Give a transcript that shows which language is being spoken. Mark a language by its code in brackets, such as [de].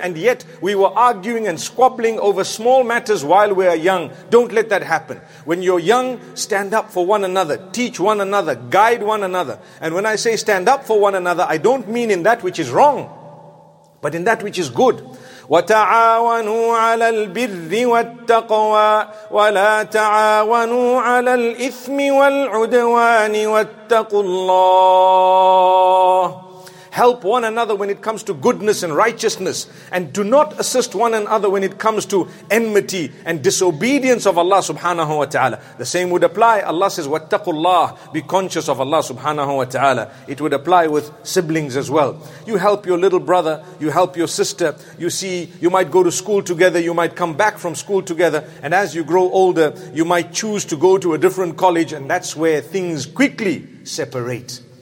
[en] And yet we were arguing and squabbling over small matters while we are young. Don't let that happen. When you're young, stand up for one another, teach one another, guide one another. And when I say stand up for one another, I don't mean in that which is wrong, but in that which is good. [ar] وتعاونوا على البر والتقوى ولا تعاونوا على الإثم والعدوان واتقوا الله. [en] Help one another when it comes to goodness and righteousness, and do not assist one another when it comes to enmity and disobedience of Allah subhanahu wa ta'ala. The same would apply. Allah says, [ar] وَاتَّقُوا اللَّهِ, [en] be conscious of Allah subhanahu wa ta'ala. It would apply with siblings as well. You help your little brother, you help your sister, you see, you might go to school together, you might come back from school together, and as you grow older, you might choose to go to a different college, and that's where things quickly separate.